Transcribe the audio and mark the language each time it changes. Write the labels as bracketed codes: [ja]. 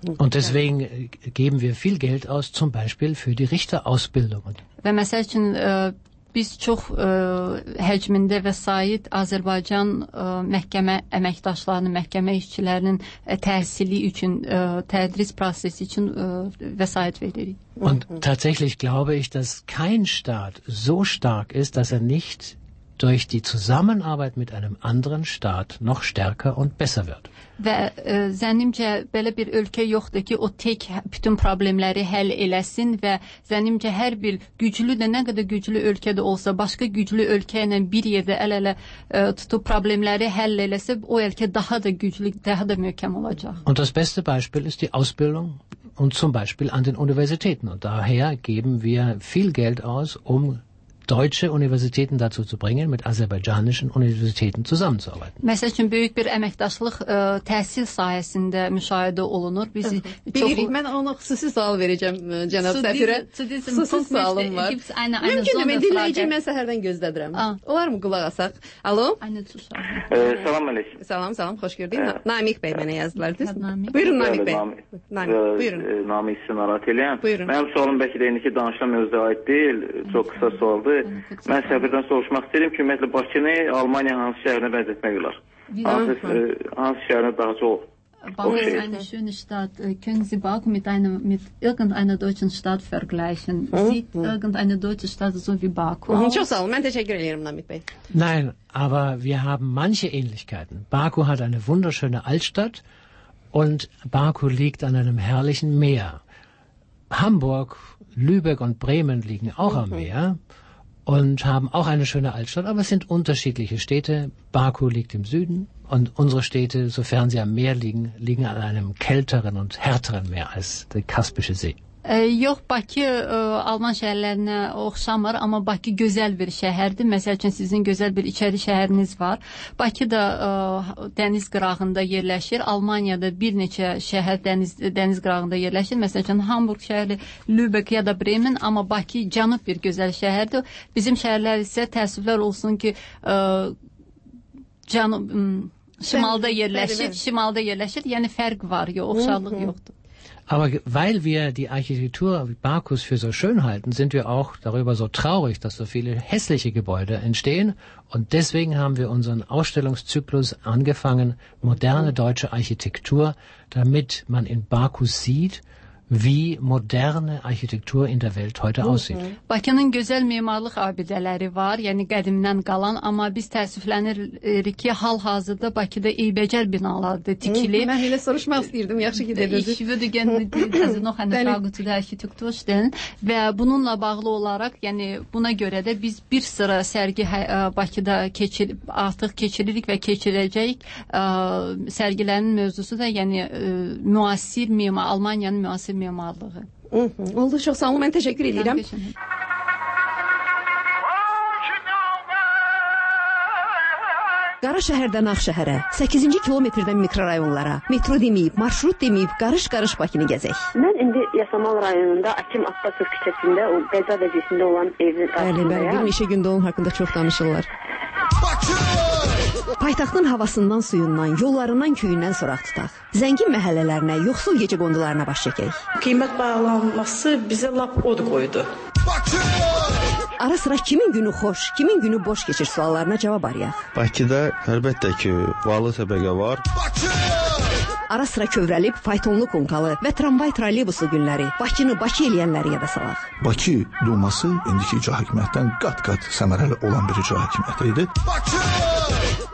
[de] Und deswegen geben wir viel Geld aus zum Beispiel für die Richterausbildung. [az] Və məsəl üçün biz çox həcmində vəsait Azərbaycan məhkəmə əməkdaşlarını, məhkəmə işçilərinin təhsili üçün, tədris prosesi üçün vəsait veririk. [de] Und tatsächlich glaube ich, dass kein Staat so stark ist, dass er nicht durch die Zusammenarbeit mit einem anderen Staat noch stärker und besser wird. [az] Və zənnimcə belə bir ölkə yoxdur ki, o tək bütün problemləri həll eləsin və zənnimcə hər bir güclü də nə qədər güclü ölkə də olsa, başqa güclü ölkə ilə bir yerdə əl-ələ tutub problemləri həll eləsə, o ölkə daha da güclü, daha da möhkəm olacaq. [de] Und das beste Beispiel ist die Ausbildung und zum Beispiel an den Universitäten. Und daher geben wir viel Geld aus, um deutsche Universitäten dazu zu bringen, mit aserbaidschanischen Universitäten zusammenzuarbeiten. [az] Məsəl üçün, böyük bir əməkdaşlıq təhsil sahəsində müşahidə olunur. Biz bilirik, mən ona xüsusi sual verəcəm, cənab səfirə. Xüsusi sualım var. Mümkündür, mən dinləyici, mən səhərdən gözlədirəm. Olar mı qulaq asaq? Alo? Salam aleyküm. Salam, salam, xoş gördüyün. Namik bəy mənə yazdılar. Buyurun, Namik bəy. Namik sizi narahat eləyəm. Mənim sualım bəlkə deyin ki, danışan mövzuya aid deyil. Çox qısa sual. Mən səfirdən soruşmaq istəyirəm ki, ümumiyyətlə, Bakını Almaniyanın hansı şəhərinə bənzətmək olar? Hansı şəhərinə daha çox oxşayır? [de] Bakı ist eine schöne Stadt. Können Sie Baku mit irgendeiner deutschen Stadt vergleichen? Sieht irgendeine deutsche Stadt so wie Baku aus? [az] Çox sağ olun, mən təşəkkür edirəm, Namik bəy. [de] Nein, aber wir haben manche Ähnlichkeiten. Baku hat eine wunderschöne Altstadt und Baku liegt an einem herrlichen Meer. Hamburg, Lübeck und Bremen liegen auch am Meer und haben auch eine schöne Altstadt, aber es sind unterschiedliche Städte. Baku liegt im Süden und unsere Städte, sofern sie am Meer liegen, liegen an einem kälteren und härteren Meer als der Kaspische See. [az] Yox, Bakı Alman şəhərlərinə oxşamır, amma Bakı gözəl bir şəhərdir. Məsəl üçün, sizin gözəl bir içəri şəhəriniz var. Bakı da dəniz qırağında yerləşir. Almaniyada bir neçə şəhər dəniz qırağında yerləşir. Məsəl üçün, Hamburg şəhəri, Lübeck ya da Bremen, amma Bakı cənub bir gözəl şəhərdir. Bizim şəhərlər isə təəssüflər olsun ki, cənub, şimalda yerləşir, şimalda yerləşir. Yəni, fərq var, yox, oxşarlıq yoxdur. [de] Aber weil wir die Architektur Bakus für so schön halten, sind wir auch darüber so traurig, dass so viele hässliche Gebäude entstehen. Und deswegen haben wir unseren Ausstellungszyklus angefangen, moderne deutsche Architektur, damit man in Bakus sieht, wie moderne Architektur in der Welt heute aussieht. [az] Bakının gözəl memarlıq abidələri var, yəni qədimdən qalan, amma biz təəssüflənirik ki, hal-hazırda Bakıda eybəcər binalardır tikilib. Mən elə soruşmaq istəyirdim, yaxşı ki dediniz. [de] Ich würde gerne diese noch eine Frage zu der Architektur stellen. [az] Və bununla bağlı olaraq, yəni buna görə də biz bir sıra sərgi Bakıda keçiririk və keçirəcəyik. Sərgilərin mövzusu da yəni müasir memar Almaniyanın müasir memarlığı. Oldu, çox sağ olun, mən təşəkkür edirəm. Qara şəhərdən Ağ şəhərə, 8-ci kilometrdən mikrorayonlara, metro deməyib, marşrut deməyib, qarış-qarış Bakını gəzək. Mən indi Yasamal rayonunda Akim Abbasov küçəsində, o qəza vəziyyətində olan evin qarşısındayam. Bəli, bir neçə gündə onun haqqında çox danışırlar. Paytaxtın havasından, suyundan, yollarından, köyündən soraq tutaq. Zəngin məhəllələrinə, yoxsul gecə qondularına baş çəkək. Qiymət bağlanması bizə lap od qoydu. Ara sıra kimin günü xoş, kimin günü boş keçir suallarına cavab arayaq. Bakıda əlbəttə ki, varlı təbəqə var. Ara sıra kövrəlib, faytonlu qonqalı və tramvay trolleybusu günləri. Bakını Bakı eləyənləri yada salaq. Bakı duması indiki icra hakimiyyətdən qat-qat səmərəli olan bir icra hakimiyyət idi. Bakı!